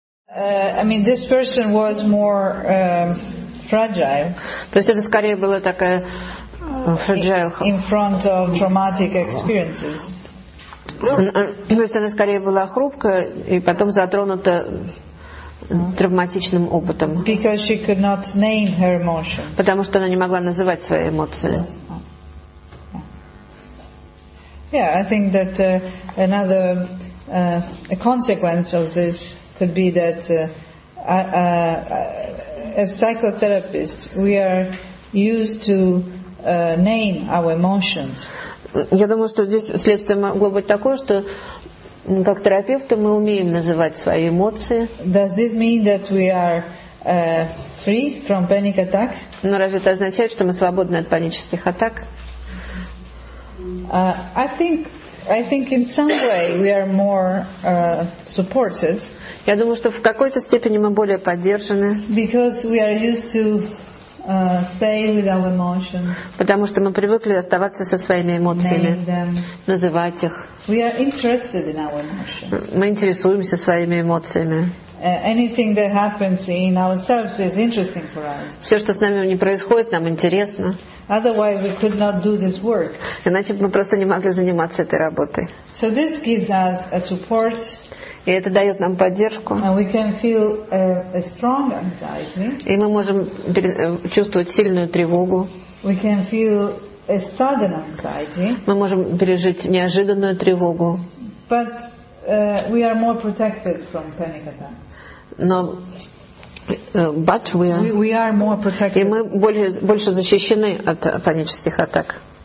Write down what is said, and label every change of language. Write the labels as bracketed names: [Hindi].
[English] I mean, this person was more fragile. [Russian] То есть это скорее было такая fragile. [English] In front of traumatic experiences. [Russian] То есть она скорее была хрупкая и потом затронута травматичным опытом. [English] Because she could not name her emotions. [Russian] Потому что она не могла называть свои эмоции. [English] Yeah, I think that another a consequence of this could be that as psychotherapists we are used to name our emotions. [Russian] Я думаю, что здесь следствие могло быть такое, что как терапевты мы умеем называть свои эмоции. [English] Does this mean that we are free from panic attacks? [Russian] Но разве это означает, что мы свободны от панических атак? [English] I think in some way we are more supported. [Russian] Я думаю, что в какой-то степени мы более поддержаны. [English] Because we are used to stay with our emotions. [Russian] Потому что мы привыкли оставаться со своими эмоциями, называть их. [English] We are interested in our emotions. [Russian] Мы интересуемся своими эмоциями. [English] Anything that happens in ourselves is interesting for us. [Russian] Все, что с нами не происходит, нам интересно. [English] Otherwise, we could not do this work. [Russian] Иначе бы мы просто не могли заниматься этой работой. [English] So this gives us a support. [Russian] И это дает нам поддержку. [English] And we can feel a strong anxiety. [Russian] И мы можем чувствовать сильную тревогу. [English] We can feel a sudden anxiety. [Russian] Мы можем пережить неожиданную тревогу. [English] But we are more protected from panic attacks. [Russian] Но but [English] we are more protected. [Russian] И мы больше защищены от панических атак.